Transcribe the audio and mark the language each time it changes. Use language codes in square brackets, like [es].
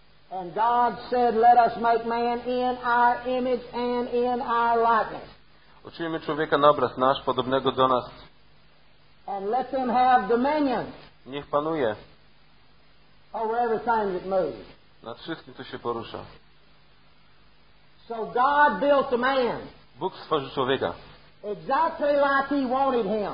[en] And God said, "Let us make man in our image and in our likeness." [pl] Uczyńmy człowieka na obraz nasz, podobnego do nas. [en] And let them have dominion. [pl] Niech panuje. [en] Over everything that moves. [pl] Nad wszystkim, co się porusza. [en] So God built the man. [pl] Bóg stworzył człowieka. [en] Exactly like He wanted him.